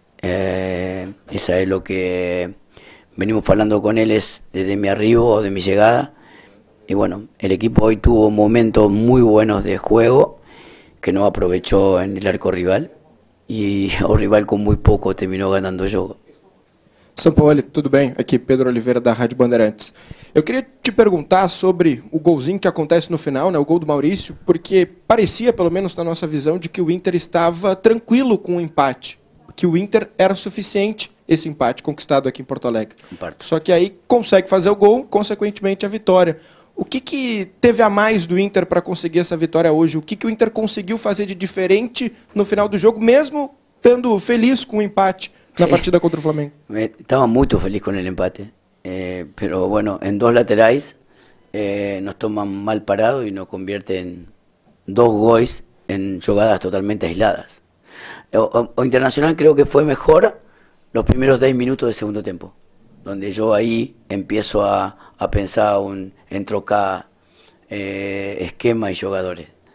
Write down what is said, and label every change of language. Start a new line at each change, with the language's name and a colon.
Spanish: Esa es lo que venimos hablando con él desde mi arribo, de mi llegada. Y bueno, el equipo hoy tuvo momentos muy buenos de juego que no aprovechó en el arco rival. Y el rival con muy poco terminó ganando el juego.
Portuguese: Sampaoli, tudo bem? Aqui Pedro Oliveira da Rádio Bandeirantes. Eu queria te perguntar sobre o golzinho que acontece no final, né, o gol do Maurício, porque parecia, pelo menos na nossa visão, de que o Inter estava tranquilo com o empate, que o Inter era suficiente esse empate conquistado aqui em Porto Alegre. Só que aí consegue fazer o gol, consequentemente a vitória. O que que teve a mais do Inter para conseguir essa vitória hoje? O que que o Inter conseguiu fazer de diferente no final do jogo, mesmo estando feliz com o empate na partida contra o Flamengo?
Spanish: Estaba muy feliz con el empate, pero bueno, en dos laterales nos toman mal parado y nos convierten dos goles en jugadas totalmente aisladas. O Internacional creo que fue mejor los primeros 10 minutos del segundo tiempo, donde yo ahí empiezo a pensar un entroca esquema y jugadores.